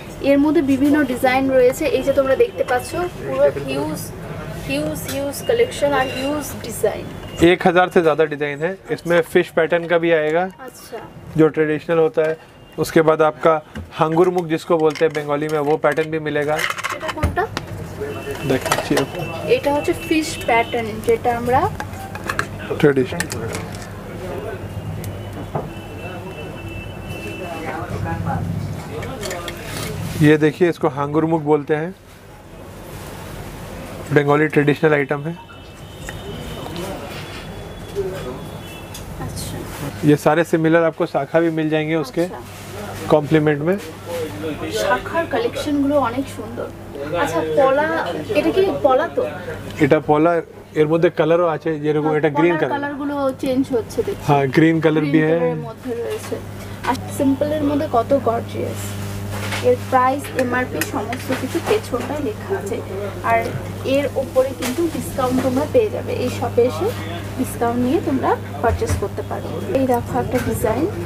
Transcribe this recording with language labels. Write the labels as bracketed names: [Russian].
[Bangla] এর মধ্যে বিভিন্ন ডিজাইন রয়েছে এই যে তোমরা দেখতে পাচ্ছ পুরো হিউজ হিউজ হিউজ কালেকশন আর হিউজ ডিজাইন [Hindi] 1000 से ज्यादा डिजाइन है इसमें फिश पैटर्न का भी आएगा अच्छा जो ट्रेडिशनल होता है उसके बाद आपका हंगुर मुख जिसको बोलते हैं बंगाली में वो पैटर्न भी मिलेगा [Bangla] এটা কোনটা দেখো এটা হচ্ছে ফিশ প্যাটার্ন যেটা আমরা [Hindi] ট্রেডিশনাল ये देखिए इसको हांगुरमुख बोलते हैं बंगाली ट्रेडिशनल आइटम है अच्छा। ये सारे सिमिलर आपको शाखा भी मिल जाएंगे उसके अच्छा। कॉम्प्लीमेंट में [Bangla] शाखा कलेक्शन গুলো অনেক সুন্দর আচ্ছা পোলা এটা কি পোলা তো এটা পোলা এর মধ্যে কালারও আছে যেরকম এটা গ্রিন কালার কালার গুলো চেঞ্জ হচ্ছে দেখো হ্যাঁ গ্রিন কালার ভি হ্যায় এর মধ্যে রয়েছে আর সিম্পল এর মধ্যে কত গর্জিয়াস এর প্রাইস MRP সমস্ত কিছু পেছনটা লেখা আছে আর এর উপরে কিন্তু ডিসকাউন্ট তোমরা পেয়ে যাবে এই শপে এসে ডিসকাউন্ট নিয়ে তোমরা পারচেজ করতে পারো এই দেখো একটা ডিজাইন